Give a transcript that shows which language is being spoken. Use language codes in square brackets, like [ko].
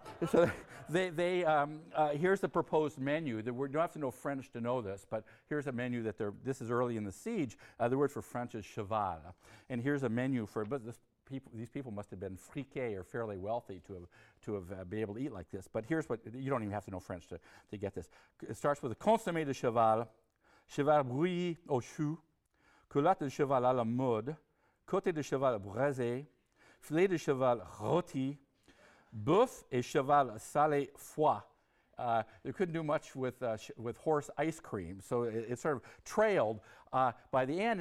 [en] So here's the proposed menu. We don't have to know French to know this, but here's a menu that they're. This is early in the siege. The word for French is cheval, and here's a menu for. But this, these people must have been friqués or fairly wealthy to have been able to eat like this. But here's what, you don't even have to know French to get this. It starts with [fr] a consommé de cheval, cheval bouilli au chou, culotte de cheval à la mode, côté de cheval braisé, filet de cheval rôti, bœuf et cheval salé foie. [en] They couldn't do much with horse ice cream, so it sort of trailed by the end.